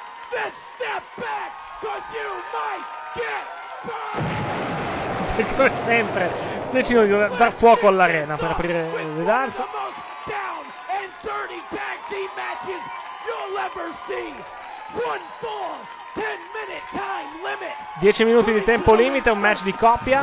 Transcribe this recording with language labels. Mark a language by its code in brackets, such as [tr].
[en] Then step back, cause you might get burned. [it] Come sempre, decido di dar fuoco all'arena per aprire le danze. [en] The most down and dirty tag team matches you'll ever see. One fall, 10 minute time limit. [it] 10 minuti di tempo limite, un match di coppia.